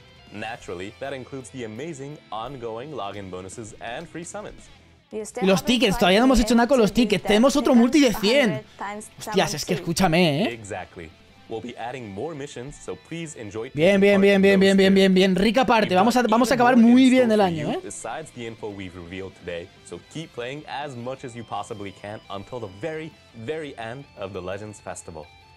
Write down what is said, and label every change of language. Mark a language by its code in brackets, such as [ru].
[en] Naturally, that includes the amazing ongoing login bonuses and free summons. [es] Y los tickets, todavía no hemos hecho nada con los tickets. Tenemos otro multi de 100. Hostias, es que escúchame, ¿eh? [en] Exactly. We'll be adding more missions, so please enjoy. [es] Bien. Rica parte. Vamos a acabar muy bien el año, ¿eh? [en] Besides the info we've revealed today, so keep playing as much as you possibly can until the very, very end of the Legends Festival.